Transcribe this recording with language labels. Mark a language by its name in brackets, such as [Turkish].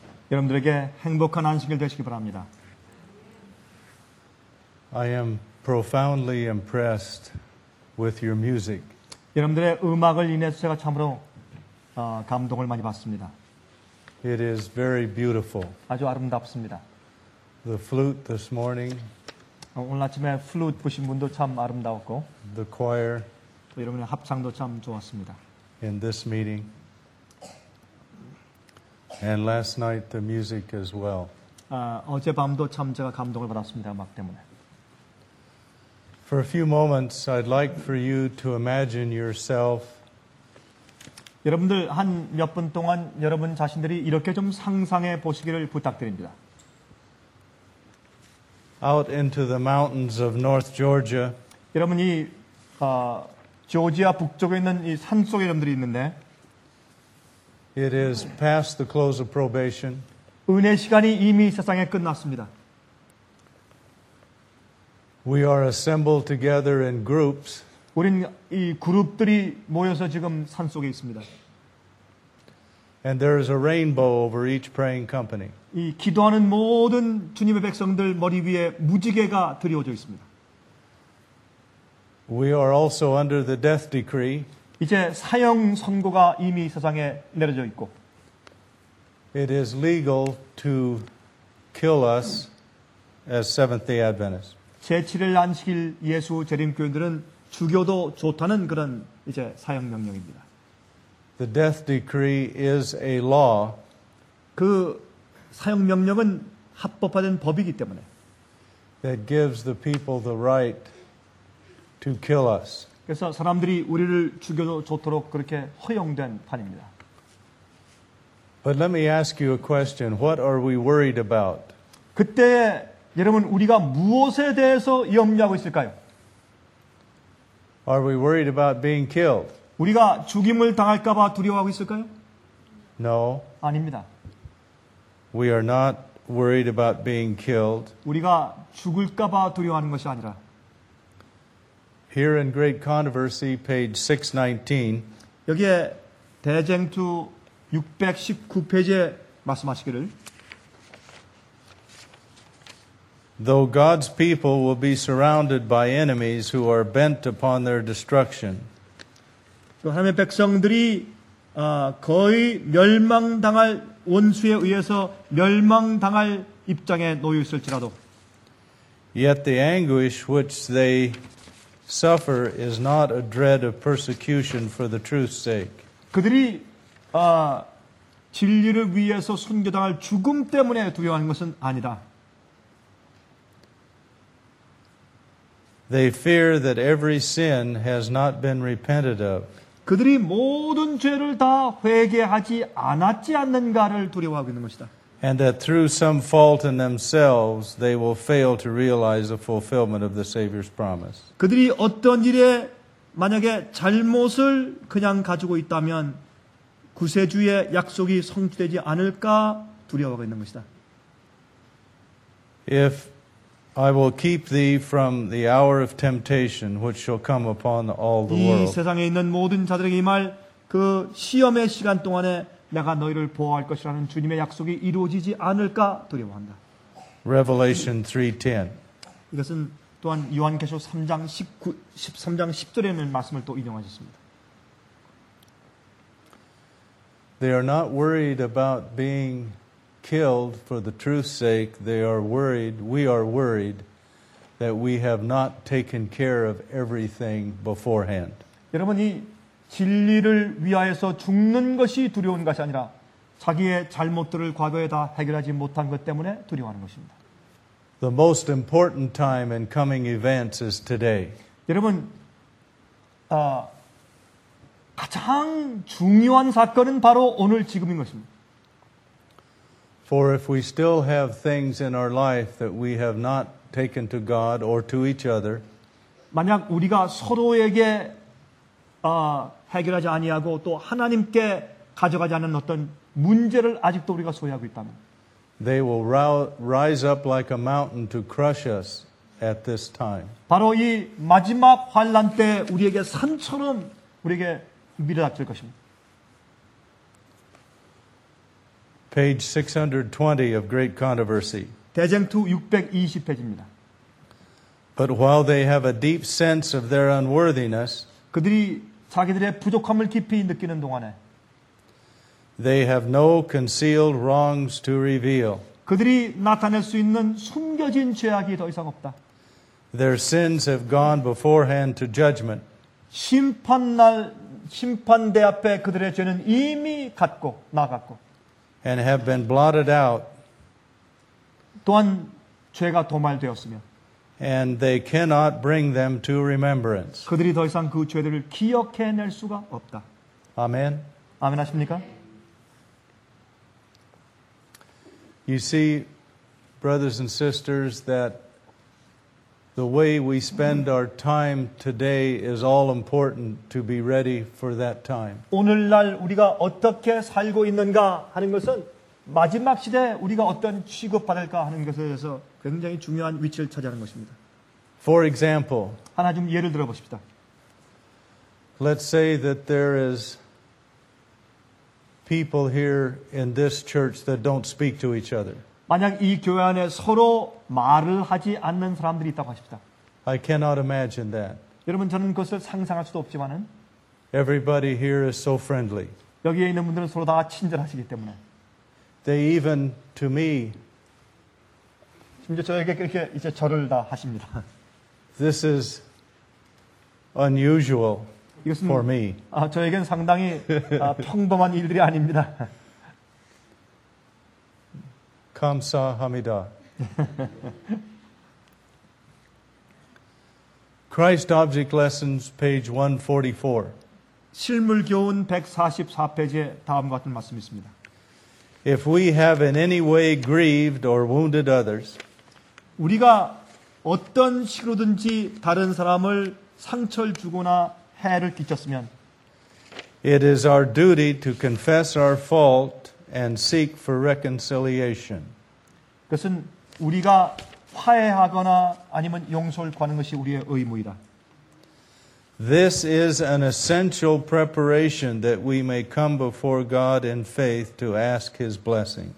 [Korean] 여러분들에게 행복한 안식일 되시기 바랍니다. [English] I am profoundly impressed with your music. [Korean] 여러분들의 음악을 인해서 제가 참으로 감동을 많이 받습니다. [English] It is very beautiful. [Korean] 아주 아름답습니다. [English] The flute this morning. [Korean] 오늘 아침에 플루트 부신 분도 참 아름다웠고. [English] The choir. [Korean] 또 여러분의 합창도 참 좋았습니다. [English] In this meeting. And last night the music as well. [Korean] 어젯밤도 참 제가 감동을 받았습니다. 음악 때문에. [English] For a few moments, I'd like for you to imagine yourself. [Korean] 여러분들 한 몇 분 동안 여러분 자신들이 이렇게 좀 상상해 보시기를 부탁드립니다. [English] Out into the mountains of North Georgia. [Korean] 여러분 이 조지아 북쪽에 있는 이 산속에 여러분들이 있는데. [English] It is past the close of probation. [Korean] 은혜 시간이 이미 세상에 끝났습니다. [English] We are assembled together in groups. [Korean] 우린 이 그룹들이 모여서 지금 산속에 있습니다. [English] And there is a rainbow over each praying company. [Korean] 이 기도하는 모든 주님의 백성들 머리 위에 무지개가 드리워져 있습니다. [English] We are also under the death decree. [Korean] 이제 사형 선고가 이미 세상에 내려져 있고. [English] It is legal to kill us as Seventh-day Adventists. [Korean] 제7일 안식일 예수 재림 교인들은 죽여도 좋다는 그런 이제 사형 명령입니다. [English] The death decree is a law. [Korean] 그 사형 명령은 합법화된 법이기 때문에. [English] That gives the people the right to kill us. [Korean] 그래서 사람들이 우리를 죽여도 좋도록 그렇게 허용된 판입니다. [English] But let me ask you a question. What are we worried about? [Korean] 그때 여러분 우리가 무엇에 대해서 염려하고 있을까요? [English] Are we worried about being killed? [Korean] 우리가 죽임을 당할까 봐 두려워하고 있을까요? [English] No. [Korean] 아닙니다. [English] We are not worried about being killed. [Korean] 우리가 죽을까 봐 두려워하는 것이 아니라. [English] Here in Great Controversy, page 619. [Korean] 여기에 대쟁투 619페이지에 말씀하시기를. [English] Though God's people will be surrounded by enemies who are bent upon their destruction. [Korean] 하나님의 백성들이 거의 멸망당할 원수에 의해서 멸망당할 입장에 놓여 있을지라도. [English] Yet the anguish which they suffer is not a dread of persecution for the truth's sake. [Korean] 그들이 진리를 위해서 순교당할 죽음 때문에 두려워하는 것은 아니다. [English] They fear that every sin has not been repented of. [Korean] 그들이 모든 죄를 다 회개하지 않았지 않는가를 두려워하고 있는 것이다. [English] And that through some fault in themselves, they will fail to realize the fulfillment of the Savior's promise. [Korean] 그들이 어떤 일에 만약에 잘못을 그냥 가지고 있다면 구세주의 약속이 성취되지 않을까 두려워하고 있는 것이다. [English] If I will keep thee from the hour of temptation which shall come upon all the world. [Korean] 이 세상에 있는 모든 자들에게 임할 그 시험의 시간 동안에 내가 너희를 보호할 것이라는 주님의 약속이 이루어지지 않을까 두려워한다. [English] Revelation 3:10. [Korean] 이것은 또한 요한계시록 13장 10절에 말씀을 또 인용하셨습니다. [English] They are not worried about being killed for the truth's sake. They are worried. We are worried that we have not taken care of everything beforehand. [Korean] 여러분 이 진리를 위하여서 죽는 것이 두려운 것이 아니라 자기의 잘못들을 과거에 다 해결하지 못한 것 때문에 두려워하는 것입니다. [English] The most important time in coming events is today. [Korean] 여러분 가장 중요한 사건은 바로 오늘 지금인 것입니다. [English] For if we still have things in our life that we have not taken to God or to each other, [Korean] 만약 우리가 서로에게 해결하지 아니하고 또 하나님께 가져가지 않은 어떤 문제를 아직도 우리가 소유하고 있다면, [English] they will rise up like a mountain to crush us at this time. [Korean] 바로 이 마지막 환난 때 우리에게 산처럼 우리에게 밀어닥칠 것입니다. [English] Page 620 of Great Controversy. [Korean] 대쟁투 620페이지입니다. [English] But while they have a deep sense of their unworthiness, [Korean] 그들이 자기들의 부족함을 깊이 느끼는 동안에 [English] they have no concealed wrongs to reveal. [Korean] 그들이 나타낼 수 있는 숨겨진 죄악이 더 이상 없다. [English] Their sins have gone beforehand to judgment. [Korean] 심판날 심판대 앞에 그들의 죄는 이미 갔고 나갔고 [English] and have been blotted out. [Korean] 또한 죄가 도말되었으며 [English] and they cannot bring them to remembrance. [Korean] 그들이 더 이상 그 죄들을 기억해낼 수가 없다. 아멘. 아멘하십니까? [English] You see, brothers and sisters, that the way we spend our time today is all important to be ready for that time. [Korean] 오늘날 우리가 어떻게 살고 있는가 하는 것은 마지막 시대에 우리가 어떤 취급받을까 하는 것에 대해서 굉장히 중요한 위치를 차지하는 것입니다. [English] For example, [Korean] 하나 좀 예를 들어봅시다. [English] Let's say that there is people here in this church that don't speak to each other. [Korean] 만약 이 교회 안에 서로 말을 하지 않는 사람들이 있다고 하십니다. [English] I cannot imagine that. [Korean] 여러분 저는 그것을 상상할 수도 없지만은 [English] everybody here is so friendly. [Korean] 여기에 있는 분들은 서로 다 친절하시기 때문에 [English] they even to me [Korean] 심지어 저에게 그렇게 이제 절을 다 하십니다. [English] This is unusual. [Korean] 이것은 [English] for me. [Korean] 아, 저에겐 상당히 아, 평범한 일들이 아닙니다. 감사합니다. [English] Christ Object Lessons, page 144. [Korean] 실물 교훈 144페이지에 다음과 같은 말씀이 있습니다. [English] If we have in any way grieved or wounded others, [Korean] 우리가 어떤 식으로든지 다른 사람을 상처를 주거나 해를 끼쳤으면 [English] it is our duty to confess our fault and seek for reconciliation. [Korean] 그것은 우리가 화해하거나 아니면 용서를 구하는 것이 우리의 의무이다. [English] This is an essential preparation that we may come before God in faith to ask his blessing.